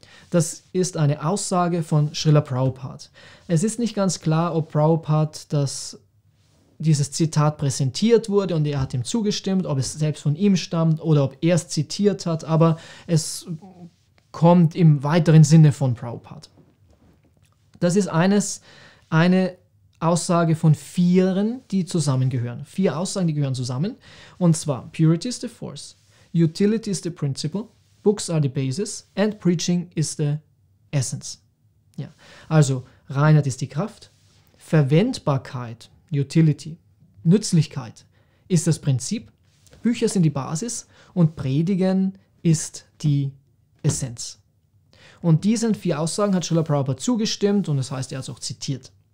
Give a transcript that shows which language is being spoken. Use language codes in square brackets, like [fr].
[de] Das ist eine Aussage von Srila Prabhupada. Es ist nicht ganz klar, ob Prabhupada dieses Zitat präsentiert wurde und er hat ihm zugestimmt, ob es selbst von ihm stammt oder ob er es zitiert hat, aber es kommt im weiteren Sinne von Prabhupada. Das ist eine Aussage von vieren, die zusammengehören. Vier Aussagen, die gehören zusammen. Und zwar, [en] Purity is the Force, Utility is the Principle, Books are the basis and preaching is the essence. [de] Ja. Also Reinheit ist die Kraft, Verwendbarkeit, Utility, Nützlichkeit ist das Prinzip, Bücher sind die Basis und Predigen ist die Essenz. Und diesen vier Aussagen hat Srila Prabhupada zugestimmt und das heißt, er hat es auch zitiert.